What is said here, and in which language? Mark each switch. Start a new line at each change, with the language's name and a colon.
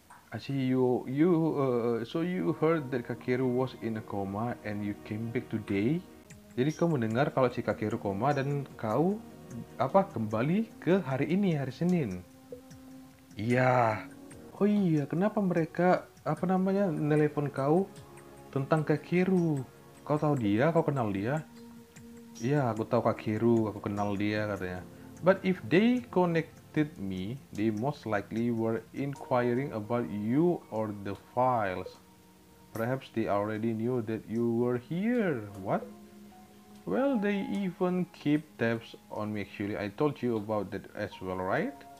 English: I see you heard that Kakeru was in a coma and you came back today.
Indonesian: Jadi kamu mendengar kalau si Kakeru koma dan kau apa kembali ke hari ini hari Senin. Iya. Oh iya, kenapa mereka apa namanya nelpon kau tentang Kakeru? Kau tahu dia, kau kenal dia? Iya, aku tahu Kakeru, aku kenal dia katanya.
English: But if they connected me, they most likely were inquiring about you or the files. Perhaps they already knew that you were here. What? Well, they even keep tabs on me actually. I told you about that as well, right?